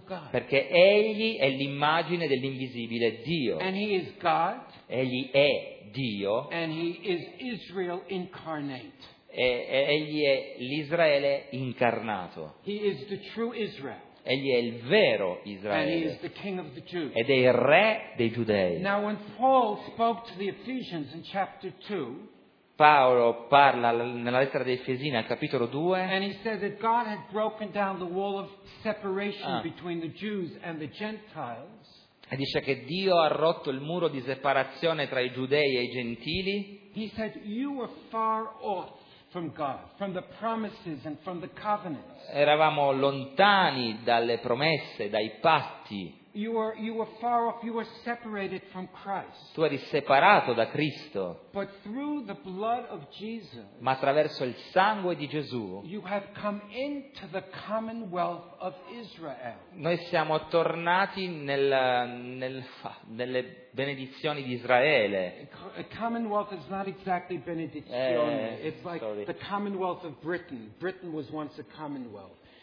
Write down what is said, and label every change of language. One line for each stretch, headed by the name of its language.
Italian: Perché egli è l'immagine dell'invisibile Dio.
English: And he is God.
Italian: Egli è Dio.
English: And he is Israel incarnate.
Italian: E egli è l'Israele incarnato.
English: He is the true Israel.
Italian: Egli è il vero Israele.
English: And he is the king of the Jews.
Italian: Ed è il re dei giudei.
English: Now when Paul spoke to the Ephesians in chapter 2,
Italian: Paolo parla nella lettera dei Efesini al capitolo 2,
English: and he said that God had broken down the wall of separation between the Jews and the Gentiles.
Italian: E dice che Dio ha rotto il muro di separazione tra i giudei e i gentili.
English: He said you were far off from God, from the promises and from the covenants.
Italian: Eravamo lontani dalle promesse, dai patti.
English: You were far off, you were separated from Christ.
Italian: Tu eri separato da Cristo.
English: But through the blood of Jesus,
Italian: ma attraverso il sangue di Gesù,
English: you have come into the commonwealth of Israel.
Italian: Noi siamo tornati nelle benedizioni di Israele.
English: A commonwealth is not exactly benedizione. It's like the commonwealth of Britain. Britain was once a commonwealth.